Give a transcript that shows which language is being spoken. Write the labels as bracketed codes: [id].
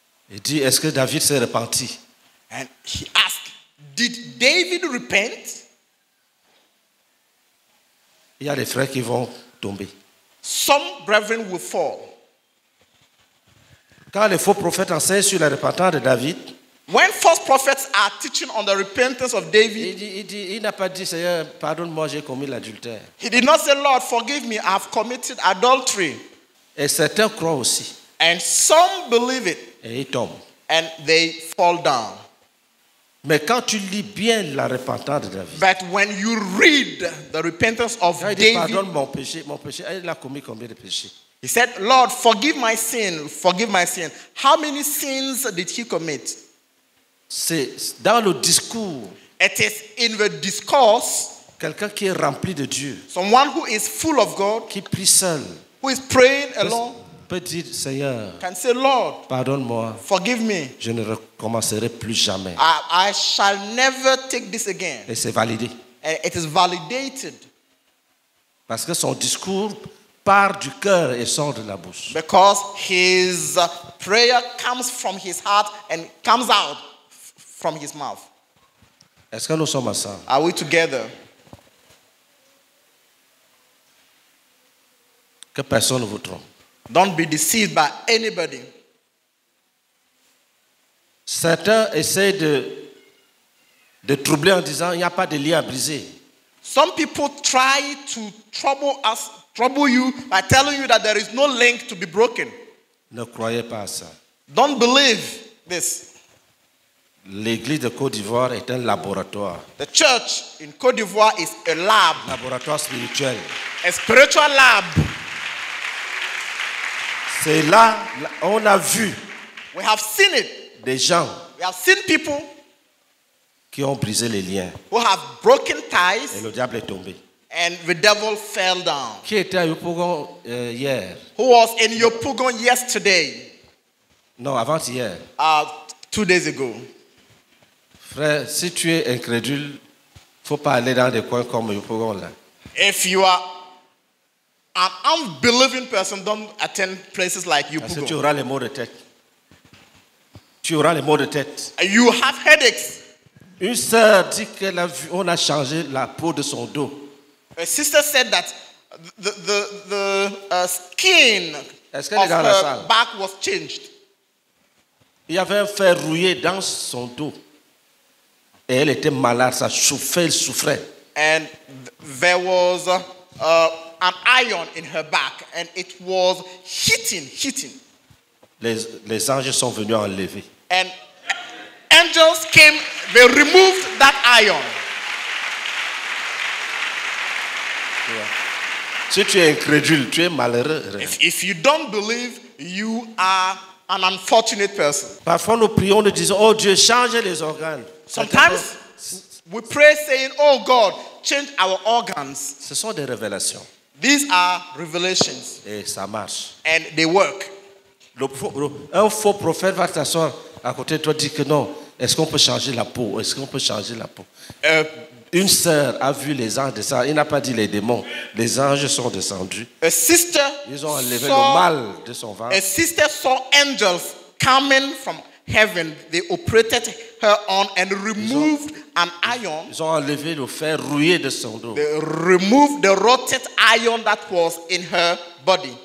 [fr] Il dit, est-ce que David s'est repenti? [en] And he asked, did David repent? [fr] Il y a des frères qui vont tomber. [en] Some brethren will fall. [fr] Quand les faux prophètes enseignent sur la repentance de David, [en] when false prophets are teaching on the repentance of David, [fr] il n'a pas dit, Seigneur, pardonne-moi, j'ai commis l'adultère. [en] He did not say, Lord, forgive me, I've committed adultery. [fr] Et certains croient aussi. [en] And some believe it. [fr] Et ils tombent. [en] And they fall down. [fr] Mais quand tu lis bien la repentance de David, [en] but when you read the repentance of [fr] il dit, [en] David, [fr] pardonne mon péché, il a commis combien de péchés? [en] He said, Lord, forgive my sin, forgive my sin. How many sins did he commit? [fr] C'est dans le discours. [en] It is in the discourse. [fr] Quelqu'un qui est rempli de Dieu. [en] Someone who is full of God. [fr] Qui prie seul. [en] Who is praying alone. [fr] Peut dire, Seigneur. [en] Can say, Lord. [fr] Pardonne-moi. [en] Forgive me. [fr] Je ne recommencerai plus jamais. [en] I shall never take this again. [fr] Et c'est validé. [en] It is validated. [fr] Parce que son discours part du cœur et sort de la bouche. [en] Because his prayer comes from his heart and comes out from his mouth. [fr] Est-ce que nous sommes ensemble? [en] Are we together? [fr] Que personne ne vous trompe. [en] Don't be deceived by anybody. [fr] Certains essaient de troubler en disant il n'y a pas de lien à briser. [en] Some people try to trouble us, trouble you by telling you that there is no link to be broken. [fr] Ne croyez pas à ça. [en] Don't believe this. [fr] L'église de Côte d'Ivoire est un laboratoire. [en] The church in Côte d'Ivoire is a lab. [fr] Laboratoire spirituel. [en] A spiritual lab. [fr] C'est là on a vu. [en] We have seen it. [fr] Des gens. [en] We have seen people. [fr] Qui ont brisé les liens. [en] Who have broken ties. [fr] Et le diable est tombé. [en] And the devil fell down. [fr] Qui était à Yopougon hier? [en] Who was in Yopougon yesterday? [fr] Non, avant hier. [en] 2 days ago. [fr] Frère, si tu es incrédule, faut pas aller dans des coins comme Yopougon là. [en] If you are an unbelieving person, don't attend places like you. [fr] Tu auras les maux de tête. Tu auras les maux de tête. [en] You have headaches. [fr] Une sœur dit que la, on a changé la peau de son dos. [en] A sister said that the skin of her back was changed. [fr] Il y avait un fer rouillé dans son dos. Et elle était malade, ça chauffait, elle souffrait. [en] And there was an iron in her back and it was hitting. [fr] Les anges sont venus enlever. [en] And angels came, they removed that iron. [fr] Yeah. Si tu es incrédule, tu es malheureux. [en] If you don't believe, you are an unfortunate person. [fr] Parfois nous prions, nous disons, oh Dieu, change les organes. [en] Sometimes we pray saying, oh God, change our organs. [fr] Ce sont des révélations. [en] These are revelations. [fr] Et ça marche. [en] And they work. [fr] Un faux prophète va t'asseoir à côté de toi dire que non, est-ce qu'on peut changer la peau? Est-ce qu'on peut changer la peau? Une sœur a vu les anges descendre. Il n'a pas dit les démons. Les anges sont descendus. [en] A sister, [fr] ils ont enlevé le mal de son ventre. [en] A sister saw angels coming from heaven. They operated her on and removed an iron. [fr] Ils ont enlevé le fer rouillé de son dos. [en] They removed the rotted iron that was in her body.